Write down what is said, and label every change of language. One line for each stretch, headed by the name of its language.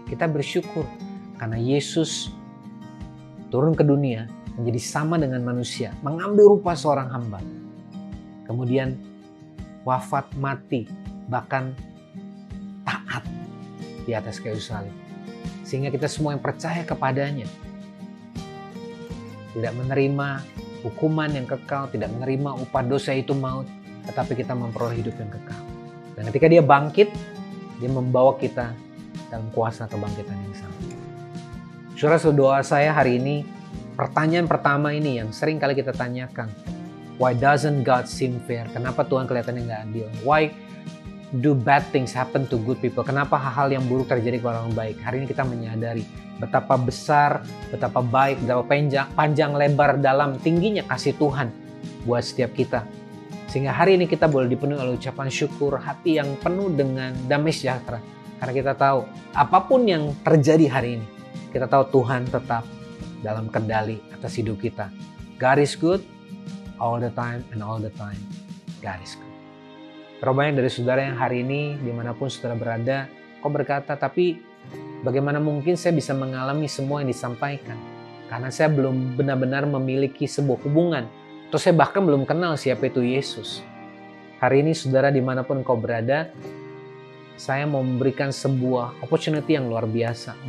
Indonesian: Kita bersyukur karena Yesus turun ke dunia menjadi sama dengan manusia, mengambil rupa seorang hamba, kemudian wafat, mati, bahkan taat di atas kayu salib, sehingga kita semua yang percaya kepadanya tidak menerima hukuman yang kekal, tidak menerima upah dosa itu maut, tetapi kita memperoleh hidup yang kekal. Dan ketika dia bangkit, dia membawa kita dalam kuasa kebangkitan yang sama. Surah doa saya hari ini, pertanyaan pertama ini yang sering kali kita tanyakan,
English: why doesn't God seem fair?
Indonesian: Kenapa Tuhan kelihatannya gak adil?
English: Why do bad things happen to good people?
Indonesian: Kenapa hal-hal yang buruk terjadi kepada orang baik? Hari ini kita menyadari betapa besar, betapa baik, betapa panjang lebar dalam tingginya kasih Tuhan buat setiap kita. Sehingga hari ini kita boleh dipenuhi oleh ucapan syukur, hati yang penuh dengan damai sejahtera. Karena kita tahu apapun yang terjadi hari ini, kita tahu Tuhan tetap dalam kendali atas hidup kita.
English: God is good all the time and all the time God is good.
Indonesian: Terlalu banyak dari saudara yang hari ini dimanapun saudara berada, kau berkata, tapi bagaimana mungkin saya bisa mengalami semua yang disampaikan? Karena saya belum benar-benar memiliki sebuah hubungan. Atau saya bahkan belum kenal siapa itu Yesus. Hari ini saudara dimanapun kau berada, saya mau memberikan sebuah
English: opportunity
Indonesian: yang luar biasa.